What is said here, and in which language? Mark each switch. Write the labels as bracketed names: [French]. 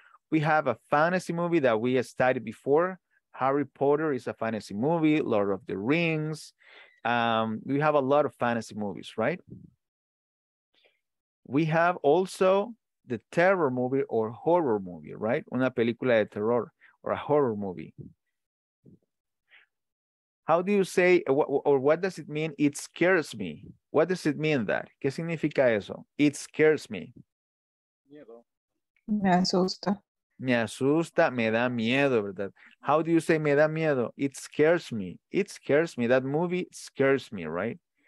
[English] We have a fantasy movie that we studied before. Harry Potter is a fantasy movie, Lord of the Rings. We have a lot of fantasy movies, right? We have also the terror movie or horror movie, right? [Spanish] Una película de terror [English] or a horror movie. How do you say, or what does it mean, it scares me? What does it mean that? [Spanish] ¿Qué significa eso? [English] It scares me. [Spanish] Me asusta. Me asusta, me da miedo, ¿verdad? [English] How do you say [Spanish] me da miedo? [English] It scares me. It scares me. That movie scares me, right?